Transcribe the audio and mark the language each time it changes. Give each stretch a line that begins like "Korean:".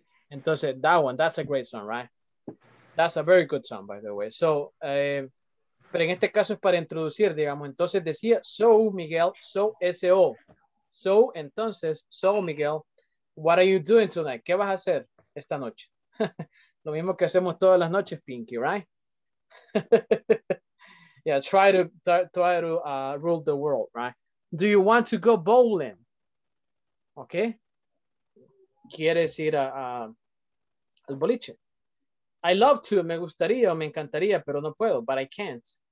English: Entonces, that one, that's a great song, right? That's a very good song, by the way.
Spanish: So, pero en este caso es para introducir, digamos. Entonces decía, so, Miguel, so, S-O.
English: So, entonces, so, Miguel, what are you doing tonight?
Spanish: ¿Qué vas a hacer esta noche? Lo mismo que hacemos todas las noches, Pinky, right?
English: Yeah, try to rule the world, right? Do you want to go bowling? Okay.
Spanish: ¿Quieres ir al boliche? I love to, me gustaría, me encantaría, pero no puedo, but I can't.